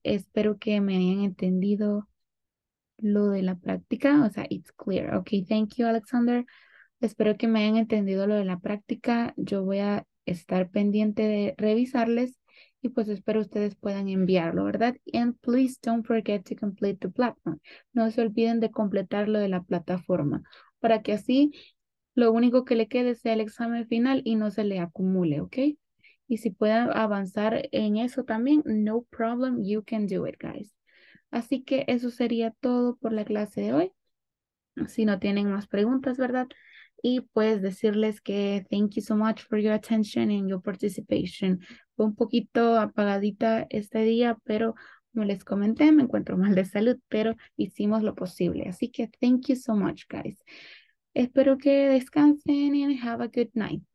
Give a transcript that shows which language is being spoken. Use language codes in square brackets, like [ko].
[es] Espero que me hayan entendido lo de la práctica, o sea, [en] it's clear. Okay, thank you, Alexander. [es] Espero que me hayan entendido lo de la práctica. Yo voy a estar pendiente de revisarles y pues espero ustedes puedan enviarlo, ¿verdad? [en] And please don't forget to complete the platform. [es] No se olviden de completar lo de la plataforma para que así lo único que le quede sea el examen final y no se le acumule, ¿okay? Y si pueden avanzar en eso también, [en] no problem, you can do it, guys. [es] Así que eso sería todo por la clase de hoy. Si no tienen más preguntas, ¿verdad? Y pues decirles que [en] thank you so much for your attention and your participation. [es] Fue un poquito apagadita este día, pero como les comenté, me encuentro mal de salud, pero hicimos lo posible. Así que [en] thank you so much, guys. [es] Espero que descansen [en] and have a good night.